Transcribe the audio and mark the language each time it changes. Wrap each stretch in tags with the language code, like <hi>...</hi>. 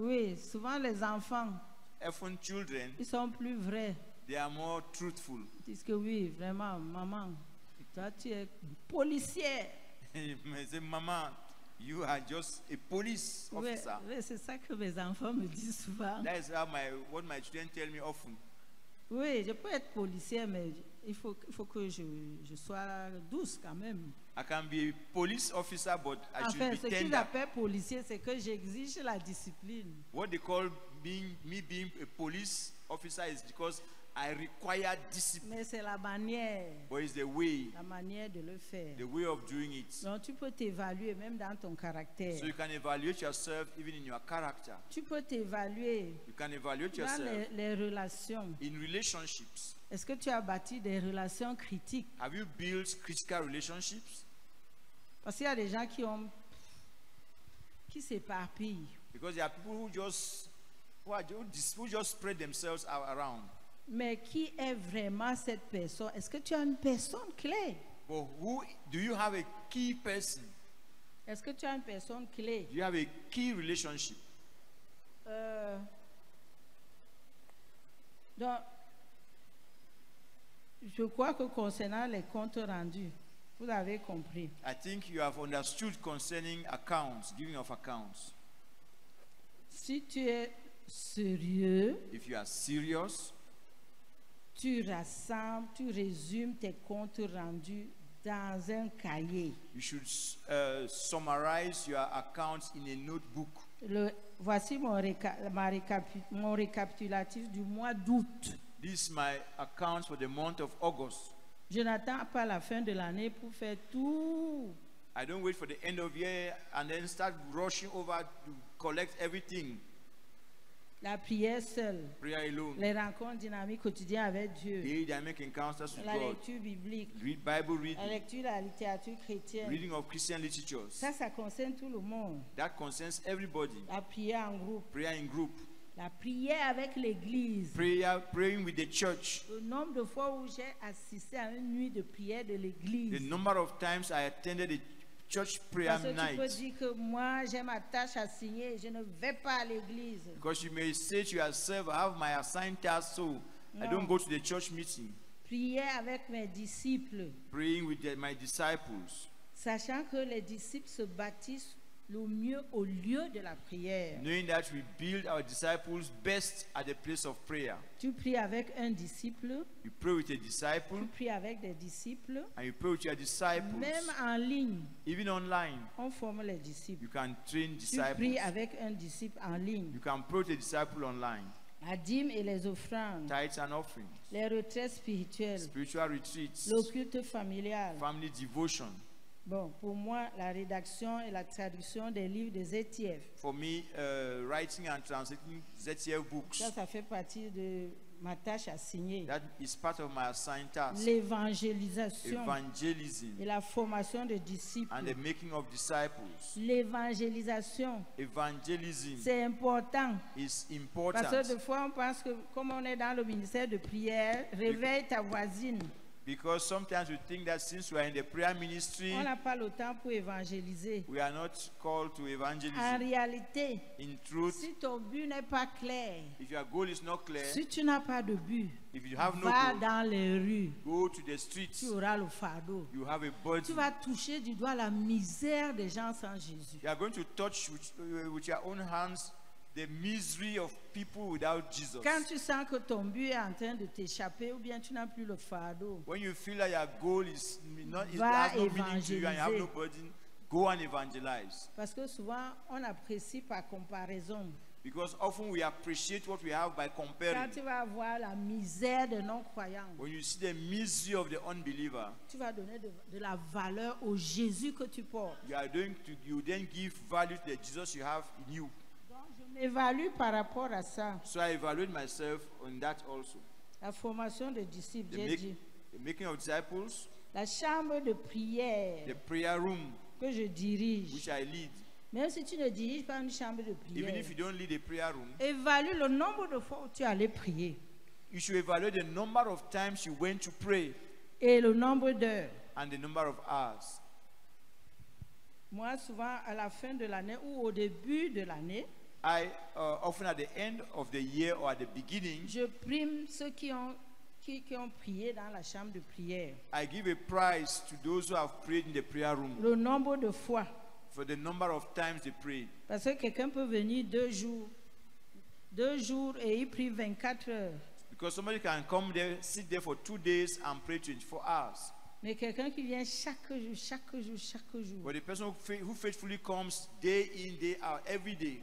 <fr>Oui, souvent les enfants.</fr> <en>Often children.</en> <fr>Ils sont plus vrais.</fr> <en>They are more truthful.</en> <fr>Ils disent que oui, vraiment, maman, toi tu es policière. Mais c'est maman.</fr> <en>You are just a police officer.</en> <fr>Oui, c'est ça que mes enfants me disent souvent.</fr> <en>That is how my, what my children tell me often.</en> <fr>Oui, je peux être policière, mais il faut que je sois douce quand même.</fr> <en>I can be a police officer, but I should be tender.</en> <fr>Enfin, ce qu'ils appellent policier, c'est que j'exige la discipline.</fr> <en>What they call me being a police officer is because I require discipline.</en> <fr>Mais c'est la manière.</fr> <en>But it's the way.</en> <fr>La manière de le faire.</fr> <en>The way of doing it.</en> <fr>Donc tu peux t'évaluer même dans ton caractère.</fr> <en>So you can evaluate yourself even in your character.</en> <fr>Tu peux t'évaluer.</fr> <en>You can evaluate yourself.</en> <fr>Dans les relations.</fr> <en>In relationships.</en> <fr>Est-ce que tu as bâti des relations critiques?</fr> <en>Have you built critical relationships?</en> <fr>Parce qu'il y a des gens qui s'éparpillent.</fr> <en>Because there are people who just spread themselves around.</en> <fr>Mais qui est vraiment cette personne? Est-ce que tu as une personne clé?</fr> <en>But who do you have a key person?</en> <fr>Est-ce que tu as une personne clé?</fr> <en>Do you have a key relationship?</en> <fr>Donc, je crois que concernant les comptes rendus, vous avez compris.</fr> <en>I think you have understood concerning accounts, giving of accounts.</en> <fr>Si tu es sérieux,</fr> <en>if you are serious,</en> <fr>tu rassembles, tu résumes tes comptes rendus dans un cahier.</fr> <en>You should summarize your accounts in a notebook.</en> <fr>Voici mon récapitulatif du mois d'août.</fr> <en>This is my account for the month of August.</en> <fr>Je n'attends pas la fin de l'année pour faire tout.</fr> <en>I don't wait for the end of year and then start rushing over to collect everything.</en> <fr>La prière seule.</fr> <en>Prayer alone.</en> <fr>Les rencontres dynamiques quotidiennes avec Dieu.</fr> <en>Dynamic encounters with</en> <fr>God. La lecture biblique.</fr> <en>Read Bible reading.</en> <fr>La lecture de la littérature chrétienne.</fr> <en>Reading of Christian literature.</en> <fr>Ça concerne tout le monde.</fr> <en>That concerns everybody.</en> <fr>La prière en groupe.</fr> <en>Prayer in group.</en> <fr>La prière avec l'église.</fr> <en>Praying with the church.</en> <fr>Le nombre de fois où j'ai assisté à une nuit de prière de l'église.</fr> <en>The number of times I attended a church prayer night.</en> <fr>Parce que tu peux dire que moi j'ai ma tâche assignée, je ne vais pas à l'église.</fr> <en>Because you may say to yourself, I have my assigned task, so non. I don't go to the church meeting.</en> <fr>Prière avec mes disciples.</fr> <en>Praying with my disciples.</en> <fr>Sachant que les disciples se bâtissent le mieux au lieu de la prière.</fr> <en>Knowing that we build our disciples best at the place of prayer.</en> <fr>Tu pries avec un disciple.</fr> <en>You pray with a disciple.</en> <fr>Tu pries avec des disciples.</fr> <en>And you pray with your disciples.</en> <fr>Même en ligne.</fr> <en>Even online.</en> <fr>On forme les disciples.</fr> <en>You can train disciples.</en> <fr>Tu pries avec un disciple en ligne.</fr> <en>You can pray with a disciple online.</en> <fr>La dîme et les offrandes.</fr> <en>Tithes and offerings.</en> <fr>Les retraites spirituelles.</fr> <en>Spiritual retreats.</en> <fr>Le culte familial.</fr> <en>Family devotion.</en> <fr>Bon, pour moi, la rédaction et la traduction des livres de ZTF.</fr> <en>For me, writing and translating ZTF books.</en> <fr>Ça fait partie de ma tâche assignée.</fr> <en>That is part of my assigned task.</en> <fr>L'évangélisation.</fr> <en>Evangelism.</en> <fr>Et la formation de disciples.</fr> <en>And the making of disciples.</en> <fr>L'évangélisation.</fr> <en>Evangelism.</en> <fr>C'est important.</fr> <en>Is important.</en> <fr>Parce que des fois, on pense que comme on est dans le ministère de prière, réveille ta voisine.</fr> <en>Because sometimes we think that since we are in the prayer ministry,</en> <fr>on n'a pas le temps pour évangéliser.</fr> <en>We are not called to evangelism.</en> <fr>En réalité,</fr> <en>in truth,</en> <fr>si ton but n'est pas clair,</fr> <en>if your goal is not clear,</en> <fr>si tu n'as pas de but,</fr> <en>if you have no</en> <fr>va</fr> <en>goal,</en> <fr>dans les rues,</fr> <en>go to the streets,</en> <fr>tu auras le fardeau.</fr> <en>You have a burden.</en> <fr>Tu vas toucher du doigt la misère des gens sans Jésus.</fr> <en>You are going to touch with your own hands the misery of people without Jesus.</en> <fr>Quand tu sens que ton but est en train de t'échapper ou bien tu n'as plus le fardeau.</fr> <en>When you feel like your goal is not is has no meaning to you and you have no burden, go and evangelize.</en> <fr>Parce que souvent on apprécie par comparaison.</fr> <en>Because often we appreciate what we have by comparing.</en> <fr>Quand tu vas voir la misère de non-croyants,</fr> <en>when you see the misery of the unbeliever,</en> <fr>tu vas donner de la valeur au Jésus que tu portes.</fr> <en>You are going to, you then give value to the Jesus you have in you.</en> <fr>Donc je m'évalue par rapport à ça.</fr> <en>So I evaluate myself on that also.</en> <fr>La formation des disciples, j'ai dit.</fr> <en>The making of disciples.</en> <fr>La chambre de prière.</fr> <en>The prayer room.</en> <fr>Que je dirige.</fr> <en>Which I lead.</en> <fr>Même si tu ne diriges pas une chambre de prière,</fr> <en>even if you don't lead a prayer room,</en> <fr>évalue le nombre de fois où tu allais prier.</fr> <en>You should evaluate the number of times you went to pray.</en> <fr>Et le nombre d'heures.</fr> <en>And the number of hours.</en> <fr>Moi, souvent à la fin de l'année ou au début de l'année,</fr> <en>I often at the end of the year or at the beginning,</en> <fr>je prime ceux qui ont prié dans la chambre de prière.</fr> <en>I give a prize to those who have prayed in the prayer room.</en> <fr>Le nombre de fois.</fr> <en>For the number of times they prayed.</en> <fr>Parce que quelqu'un peut venir deux jours et il prie 24 heures.</fr> <en>Because somebody can come there, sit there for 2 days and pray 24 hours.</en> <fr>Mais quelqu'un qui vient chaque jour.</fr> <en>But the person who faithfully comes day in, day out, every day.</en>